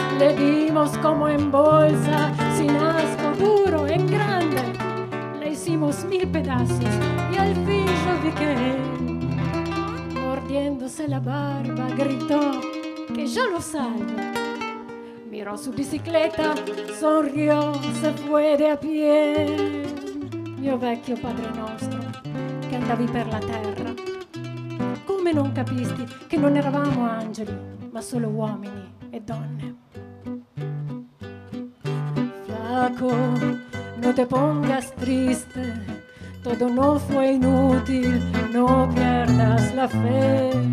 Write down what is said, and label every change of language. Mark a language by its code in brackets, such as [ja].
[es] Le dimos como en bolsa, sin asco, duro, en grande, le hicimos mil pedazos y al fin yo vi que él, mordiéndose la barba, gritó que yo lo salvo. Miró su bicicleta, sonrió, se fue de a pie. [it] Mio vecchio padre nostro, che andavi per la terra, come non capisti che non eravamo angeli, ma solo uomini e donne? [es] Flaco, no te pongas triste, todo no fue inútil, no pierdas la fe.